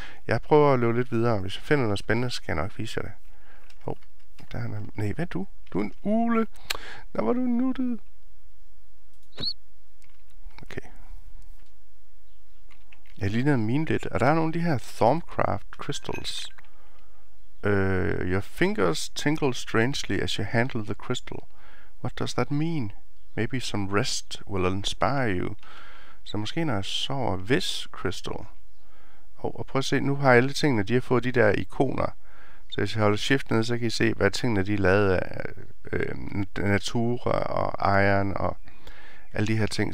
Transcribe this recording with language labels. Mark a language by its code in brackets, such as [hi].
[da] Jeg prøver at løbe lidt videre. Hvis jeg finder noget spændende, skal jeg nok vise jer det. Der er en... Nej, hvad er du? Du er en ule. Der var du nuttet. Okay. Jeg ligner mine lidt. Og der er nogle af de her Thorncraft crystals. [en] Your fingers tingle strangely as you handle the crystal. What does that mean? Maybe some rest will inspire you. [da] Så måske når jeg sover, hvis crystal. Og prøv at se, nu har alle tingene, de har fået de der ikoner. Så hvis jeg holder shift ned, så kan I se, hvad tingene de er lavet af. Natura og iron og alle de her ting.